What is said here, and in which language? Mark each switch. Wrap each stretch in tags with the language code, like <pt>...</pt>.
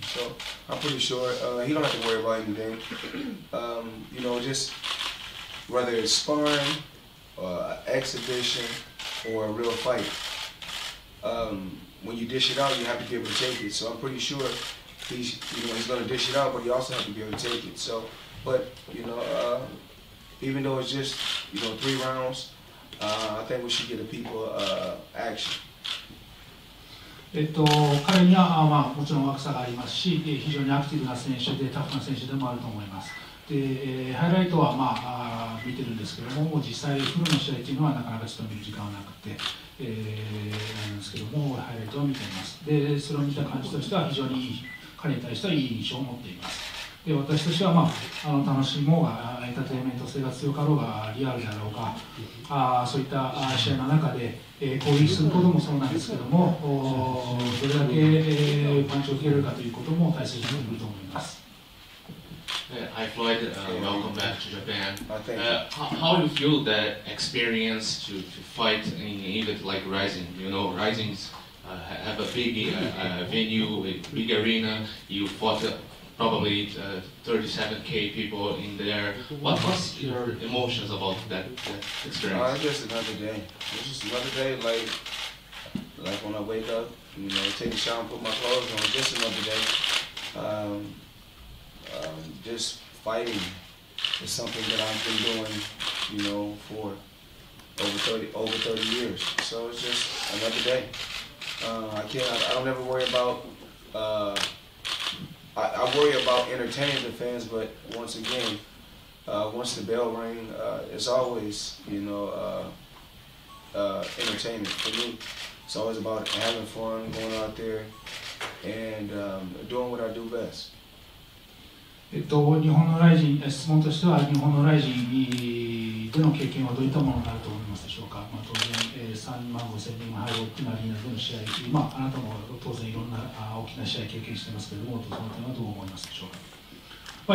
<en>So I'm pretty sure he don't have to worry about anything. You know, just whether it's sparring, or an exhibition, or a real fight, when you dish it out, you have to be able to take it. So I'm pretty sure he's, you know, he's going to dish it out, but you also have to be able to take it. So, but, you know, even though it's just, you know, three rounds, I think we should give the people action.</en> <ja>彼には、もちろん若さがありますし、非常にアクティブな選手でタフな選手でもあると思います。で、ハイライトは、見てるんですけども、実際フルの試合というのはなかなかちょっと見る時間はなくて、なんですけども、ハイライトを見ています。で、それを見た感じとしては非常にいい、彼に対してはいい印象を持っています。で、私としては、楽しもうが、エンターテインメント性が強かろうが、リアルだろうが、そういった試合の中で、攻撃することもそうなんですけども、どれだけ、パンチを受けるかということも大切になると思います。</ja> <en>Hi Floyd, welcome back to Japan. How do you feel that experience to fight in an event like Rising? You know, Rising have a big venue, a big arena. You fought probably 37,000 people in there. What was your emotions about that experience? It's just another day. It's just another day, like when I wake up, you know, take a shower and put my clothes on. Just another day. Just fighting is something that I've been doing, you know, for over 30 years. So it's just another day. I don't ever worry about, I worry about entertaining the fans, but once again, once the bell rings, it's always, you know, entertainment for me. It's always about having fun, going out there, and doing what I do best.</en> <ja>日本のライジン、質問としては日本のライジンでの経験はどういったものになると思いますでしょうか。当然、3万5000人が入る大きなアリーナでの試合、あなたも当然いろんな大きな試合経験していますけれども、その点はどう思いますでしょうか。</ja>